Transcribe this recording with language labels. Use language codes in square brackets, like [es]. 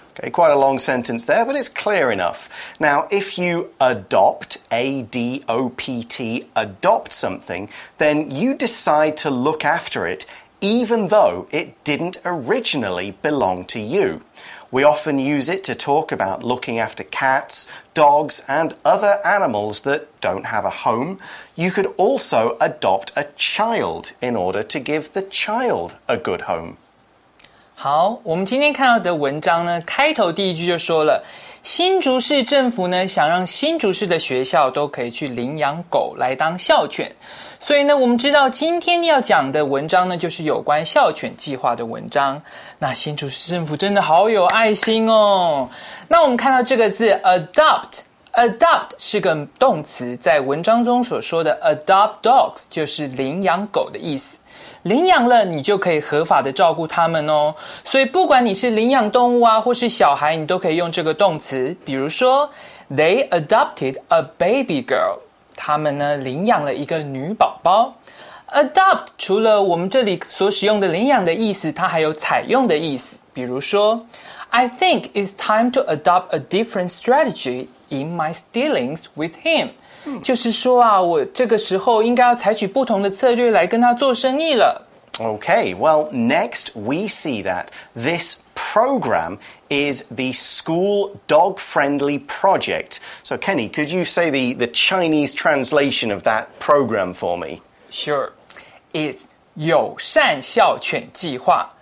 [en] Okay, quite a long sentence there, but it's clear enough. Now, if you adopt, A-D-O-P-T, adopt something, then you decide to look after it,even though it didn't originally belong to you. We often use it to talk about looking after cats, dogs, and other animals that don't have a home. You could also adopt a child in order to give the child a good home. [zh] 好，我们今天看到的文章呢，开头第一句就说了，新竹市政府呢，想让新竹市的学校都可以去领养狗来当校犬。所以呢，我们知道今天要讲的文章呢，就是有关校犬计划的文章。那新竹市政府真的好有爱心哦。那我们看到这个字 adopt， Adopt 是个动词，在文章中所说的 adopt dogs 就是领养狗的意思。领养了，你就可以合法的照顾他们哦。所以不管你是领养动物啊，或是小孩，你都可以用这个动词。比如说 ， [en] They adopted a baby girl， [zh] 他们呢领养了一个女宝宝。 Adopt 除了我们这里所使用的领养的意思，它还有采用的意思。比如说 ， [en] I think it's time to adopt a different strategy in my dealings with him。 [zh] 就是说啊，我这个时候应该要采取不同的策略来跟他做生意了。 [en] Okay, well, next we see that this program is the school dog-friendly project. So, Kenny, could you say the Chinese translation of that program for me? Sure. It's [zh] 友善校犬计划。